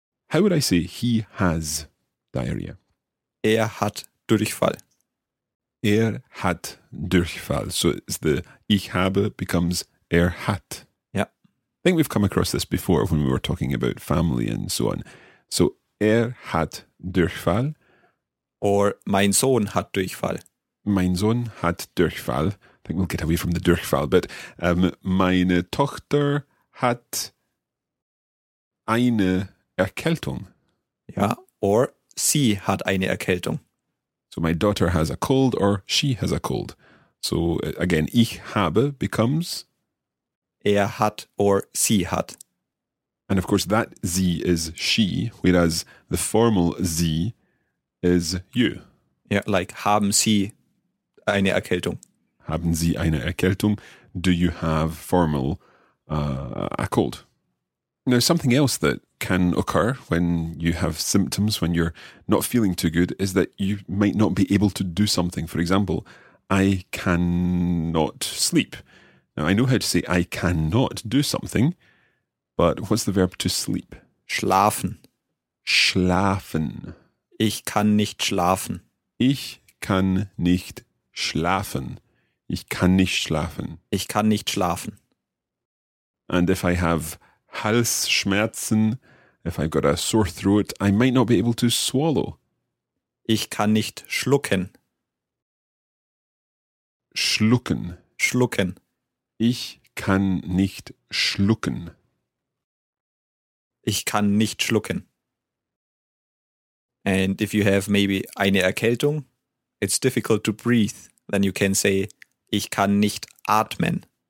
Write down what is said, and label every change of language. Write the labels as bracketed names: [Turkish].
[English] How would I say he has diarrhea? [German] Er hat Durchfall. Er hat Durchfall. [English] So it's the [German] ich habe [English] becomes [German] er hat. [English] Yeah. I think we've come across this before when we were talking about family and so on. So [German] er hat Durchfall. [English] Or [German] mein Sohn hat Durchfall. Mein Sohn hat Durchfall. [English] I think we'll get away from the Durchfall. But [German] meine Tochter hat eine Erkältung. [English] Yeah. Or [German] sie hat eine Erkältung. [English] So my daughter has a cold or she has a cold. So again, [German] ich habe [English] becomes? [German] Er hat or sie hat. [English] And of course that sie is she, whereas the formal sie is you. Yeah, like [German] haben sie eine Erkältung? Haben sie eine Erkältung? [English] Do you have formal a cold? Now, something else that can occur when you have symptoms, when you're not feeling too good, is that you might not be able to do something. For example, I cannot sleep. Now, I know how to say I cannot do something, but what's the verb to sleep? [German] Schlafen. Schlafen. Ich kann nicht schlafen. Ich kann nicht schlafen. Ich kann nicht schlafen. Ich kann nicht schlafen. [English] And if I have Halsschmerzen, if I've got a sore throat, I might not be able to swallow. [German] Ich kann nicht schlucken. schlucken. Schlucken. Ich kann nicht schlucken. Ich kann nicht schlucken. [English] And if you have maybe [German] eine Erkältung, [English] it's difficult to breathe, then you can say, [German] ich kann nicht atmen.